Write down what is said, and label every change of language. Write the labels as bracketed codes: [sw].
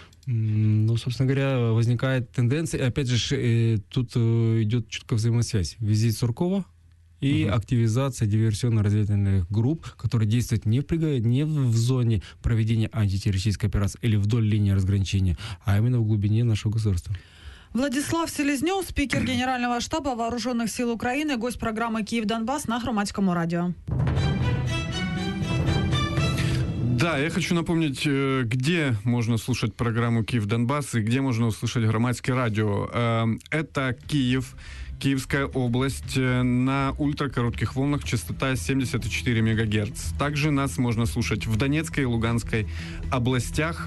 [ru] Ну, собственно говоря, возникает тенденция, и опять же, тут идет четко взаимосвязь. Визит Суркова и активизация диверсионно-разведывательных групп, которые действуют не в зоне проведения антитеррористической операции или вдоль линии разграничения, а именно в глубине нашего государства. [uk] Владислав Селезнёв, спікер Генерального штабу Вооружених сил України, гость програми «Київ-Донбас» на Громадському радіо. [ru] Да, я хочу напомнить, где можно слушать программу «Киев-Донбасс» и где можно услышать громадское радио. Это Киев, Киевская область, на ультракоротких волнах, частота 74 МГц. Также нас можно слушать в Донецкой и Луганской областях.